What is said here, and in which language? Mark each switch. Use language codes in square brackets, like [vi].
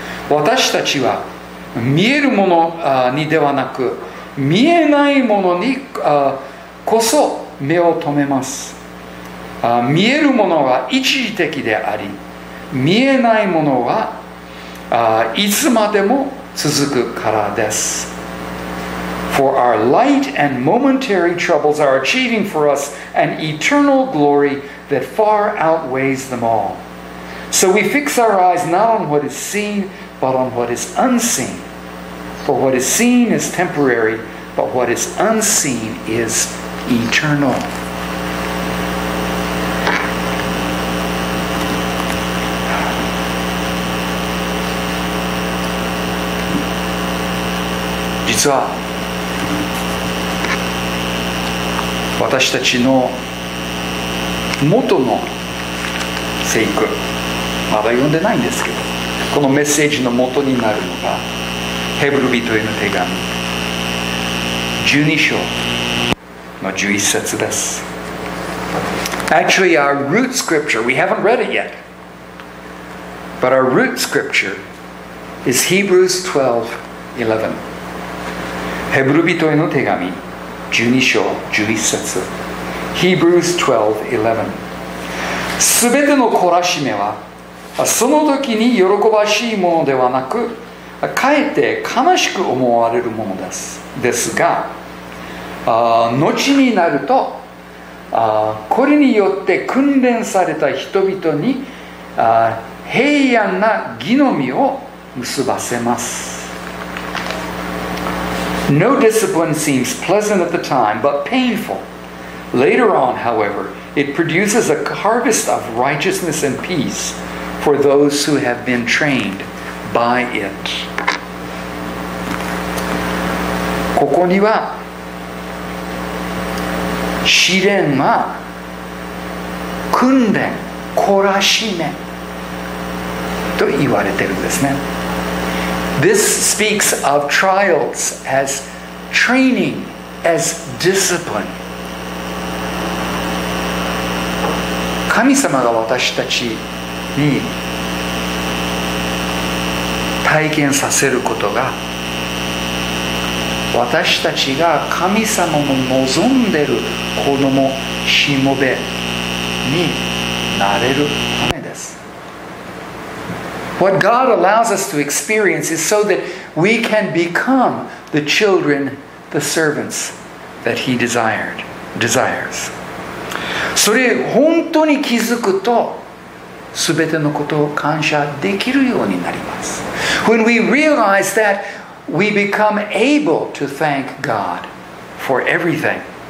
[ja] 私たちは見えるものにではなく見えないものにこそ目を留めます。見えるものは一時的であり、見えないものはいつまでも続くからです。 [en] For our light and momentary troubles are achieving for us an eternal glory that far outweighs them all. So we fix our eyes not on what is seen but on what is unseen. For what is seen is temporary. But what is unseen is eternal. [ja] 実は私たちの元の聖句、まだ読んでないんですけど、このメッセージの元になるのがヘブル人への手紙12章の11節です。 [en] Actually our root scripture, we haven't read it yet, but our root scripture is Hebrews 12:11。 [ja] ヘブル人への手紙12章11節。 [en] Hebrews 12:11。 [ja] すべての懲らしめはその時に喜ばしいものではなく、かえって悲しく思われるものです。ですが後になるとこれによって訓練された人々に平安な義の実を結ばせます。 [en] No discipline seems pleasant at the time but painful. Later on, however, it produces a harvest of righteousness and peace for those who have been trained by it. [ja] ここには試練は訓練、懲らしめと言われてるんですね。 [en] This speaks of trials as training, as discipline. [ja] 神様が私たちに体験させることが、私たちが神様の望んでる子供しもべになれるためです。 [en] What God allows us to experience is so that we can become the children, the servants that He desires. [ja] それ本当に気づくと、すべてのことを感謝できるようになります。 [en] When we realize that, we become able to thank God for everything.